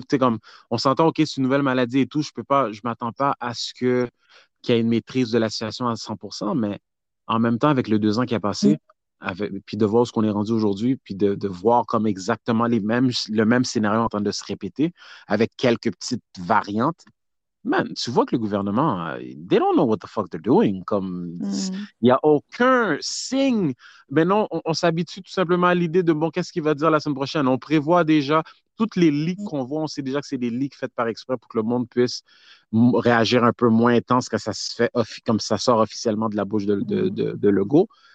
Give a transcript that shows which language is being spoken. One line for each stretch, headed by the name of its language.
French: Tu sais, comme on s'entend, OK, c'est une nouvelle maladie et tout, je m'attends pas à ce qu'il y ait une maîtrise de la situation à 100%, mais en même temps, avec le 2 ans qui a passé, puis de voir ce qu'on est rendu aujourd'hui, puis de voir comme exactement le même scénario en train de se répéter, avec quelques petites variantes.
English: Man,
French: tu vois que le gouvernement,
English: they don't know what the fuck they're doing.
French: Comme, il n'y a aucun signe. Mais non, on s'habitue tout simplement à l'idée de, bon, qu'est-ce qu'il va dire la semaine prochaine? On prévoit déjà toutes les leaks qu'on voit. On sait déjà que c'est des leaks faites par exprès pour que le monde puisse réagir un peu moins intense quand ça se fait, comme ça sort officiellement de la bouche de Legault.